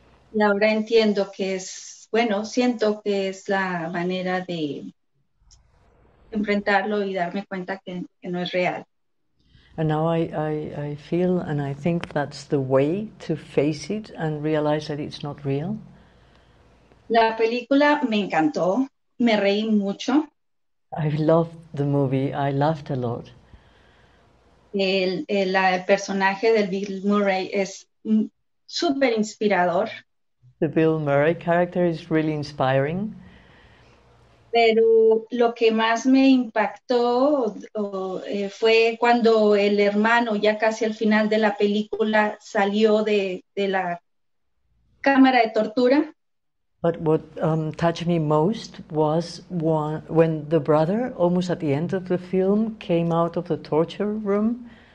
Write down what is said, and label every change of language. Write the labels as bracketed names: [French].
[Spanish] Y ahora entiendo que es, bueno, siento que es la manera de enfrentarlo y darme cuenta que no es real. [English] And now I feel and I think that's the way to face it and realize that it's not real. [Spanish] La película me encantó, me reí mucho. [English] I loved the movie, I laughed a lot. [Spanish] El personaje del Bill Murray es súper inspirador. [English] The Bill Murray character is really inspiring. [Spanish] Pero lo que más me impactó fue cuando el hermano, ya casi al final de la película, salió de la cámara de tortura. [English] But what touched me most was when the brother, almost at the end of the film, came out of the torture room.